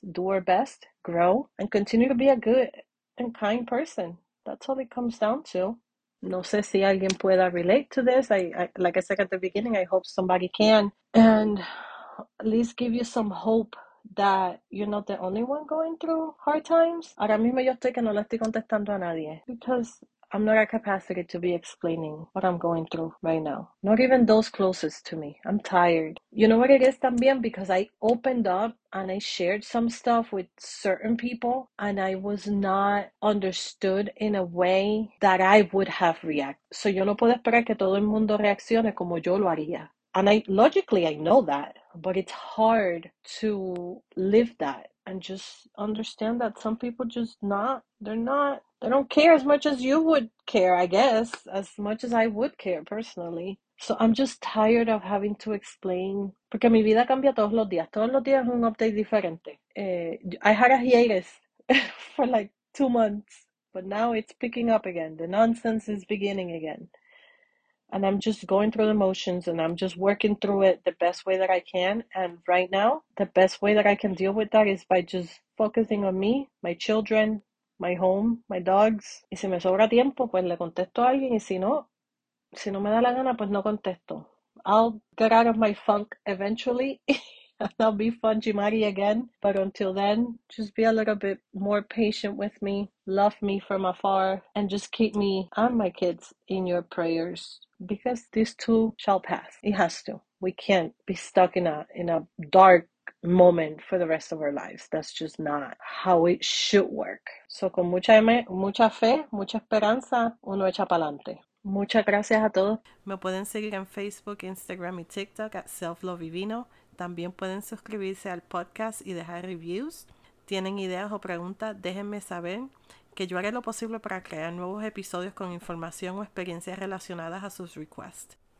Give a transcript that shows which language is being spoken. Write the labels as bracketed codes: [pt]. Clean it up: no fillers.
[en] Do our best, grow, and continue to be a good and kind person. That's all it comes down to. [es] No sé si alguien pueda [en] relate to this. Like I said at the beginning, I hope somebody can. And at least give you some hope that you're not the only one going through hard times. [es] Ahora mismo yo estoy que no le estoy contestando a nadie. [en] Because I'm not at capacity to be explaining what I'm going through right now. Not even those closest to me. I'm tired. You know what it is también? Because I opened up and I shared some stuff with certain people and I was not understood in a way that I would have reacted. [es] So yo no puedo esperar que todo el mundo reaccione como yo lo haría. [en] And I logically I know that. But it's hard to live that and just understand that some people just not, they're not, they don't care as much as you would care, I guess, as much as I would care personally. So I'm just tired of having to explain. [es] Porque mi vida cambia todos los días. Todos los días es un update diferente. [en] I had a hiatus for like 2 months, but now it's picking up again. The nonsense is beginning again. And I'm just going through the motions and I'm just working through it the best way that I can. And right now, the best way that I can deal with that is by just focusing on me, my children, my home, my dogs. [es] Y si me sobra tiempo, pues le contesto a alguien. Y si no me da la gana, pues no contesto. [en] I'll get out of my funk eventually. I'll be Funjimari again. But until then, just be a little bit more patient with me. Love me from afar. And just keep me and my kids in your prayers. Because this too shall pass. It has to. We can't be stuck in a dark moment for the rest of our lives. That's just not how it should work. [es] So con mucha fe, mucha esperanza, uno echa pa'lante. Muchas gracias a todos. Me pueden seguir en Facebook, Instagram y TikTok at Self Love y Vino. También pueden suscribirse al podcast y dejar reviews. ¿Tienen ideas o preguntas? Déjenme saber que yo haré lo posible para crear nuevos episodios con información o experiencias relacionadas a sus requests.